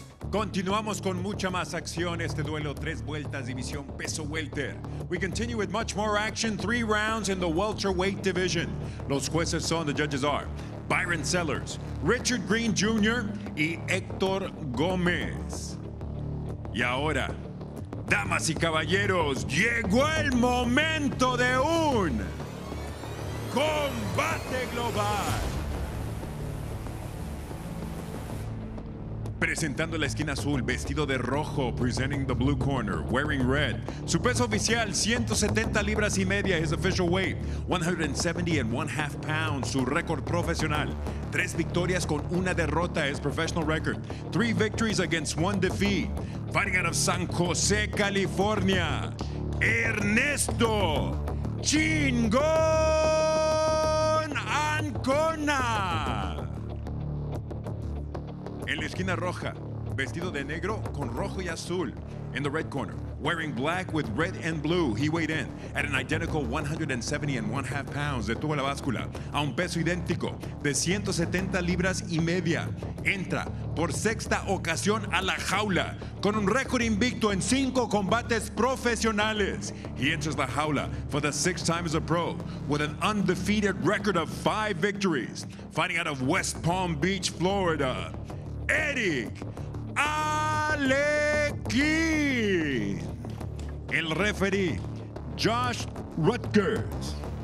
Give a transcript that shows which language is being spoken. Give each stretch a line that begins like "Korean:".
Spanish: Continuamos con mucha más acción este duelo, tres vueltas, división peso welter.
English: We continue with much more action, three rounds in the welterweight division.
Spanish: Los jueces son,
English: the judges are,
Spanish: Byron Sellers, Richard Green Jr. y Héctor Gómez. Y ahora, damas y caballeros, llegó el momento de un combate global. Presentando la esquina azul, vestido de rojo,
English: presenting the blue corner, wearing red.
Spanish: Su peso oficial, 170 libras y media,
English: his official weight, 170.5 pounds.
Spanish: Su récord profesional, 3 victorias con 1 derrota,
English: his professional record, 3 victories against 1 defeat. Fighting out of San Jose, California, Ernesto Chingón Ancona.
Spanish: En la esquina roja, vestido de negro con rojo y azul.
English: In the red corner, wearing black with red and blue, he weighed in at an identical 170.5 pounds.
Spanish: Detuvo la báscula a un peso idéntico de 170 libras y media. Entra por sexta ocasión a la jaula con un récord invicto en 5 combates profesionales.
English: He enters the jaula for the 6th time as a pro with an undefeated record of 5 victories. Fighting out of West Palm Beach, Florida, Eric Alequin.
Spanish: El referee, Josh Rutgers.